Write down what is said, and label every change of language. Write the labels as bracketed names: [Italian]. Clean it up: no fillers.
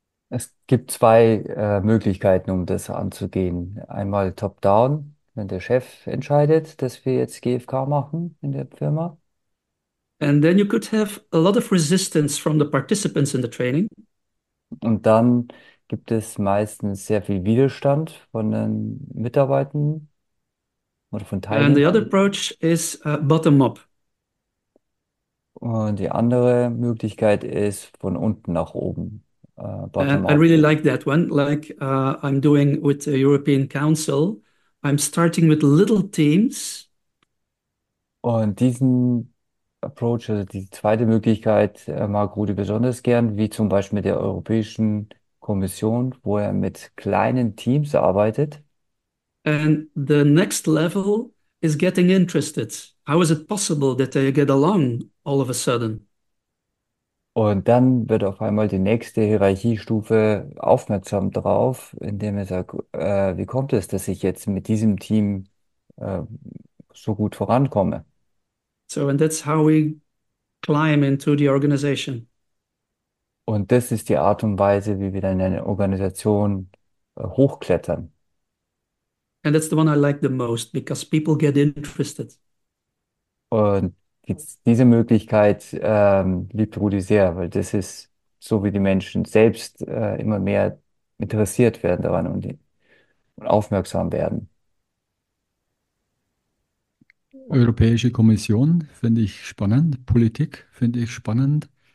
[German] Es gibt zwei Möglichkeiten, um das anzugehen. Einmal top-down, wenn der Chef entscheidet, dass wir jetzt GFK machen in der Firma. [English] And then you could have a lot of resistance from the participants in the training. [German] Und dann gibt es meistens sehr viel Widerstand von den Mitarbeitern oder von [English] And the other approach is bottom up. [German] Und die andere Möglichkeit ist von unten nach oben, bottom [English] I really like that one. Like I'm doing with the European Council, I'm starting with little teams. [German] Und diesen Approach, also die zweite Möglichkeit, mag Rudi besonders gern, wie zum Beispiel mit der Europäischen Kommission, wo er mit kleinen Teams arbeitet. [English] And the next level is getting interested. How is it possible that they get along all of a sudden? [German] Und dann wird auf einmal die nächste Hierarchiestufe aufmerksam drauf, indem er sagt, wie kommt es, dass ich jetzt mit diesem Team so gut vorankomme? [English] So, and that's how we climb into the organization. [German] Und das ist die Art und Weise, wie wir dann in eine Organisation hochklettern. [English] And that's the one I like the most because people get interested. [German] Und diese Möglichkeit liebt Rudi sehr, weil das ist so, wie die Menschen selbst immer mehr interessiert werden daran und aufmerksam werden. Europäische Kommission finde ich spannend, Politik finde ich spannend.